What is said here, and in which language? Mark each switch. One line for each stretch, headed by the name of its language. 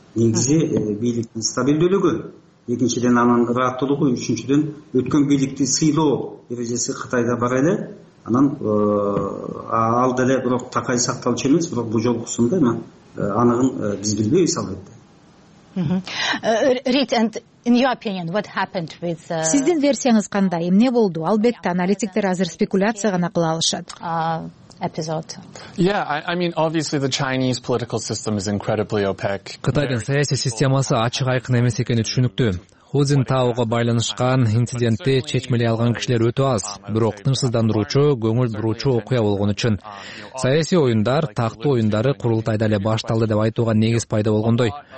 Kyrgyz: Негизи бийликтин стабилдүүлүгү, экинчиден анын ырааттуулугу, үчүнчүдөн өткөн бийликти сыйлоо эрежеси Кытайда бар эле. Анан ал деле бирок такай сакталчу эмес, бирок бул жолкусунда эми аныгын биз билбейбиз албетте.
English: Рит, and in your opinion, what happened with
Kyrgyz: сиздин версияңыз кандай? Эмне болду? Албетте, аналитиктер азыр спекуляция гана кыла алышат. Episode.
English: Yeah, I mean obviously the Chinese political system is incredibly opaque.
Kyrgyz: Кытайдын саясий системасы ачык айкын эмес экени түшүнүктүү. Ху Цзинтао'го байланышкан инцидентти чечмеле алган кишилер өтө аз, бирок тынчсыздандыруучу, көңүл буруучу окуя болгон үчүн. Саясий оюндар, тактуу оюндары курултайда эле башталды деп айтууга негиз пайда болгондой.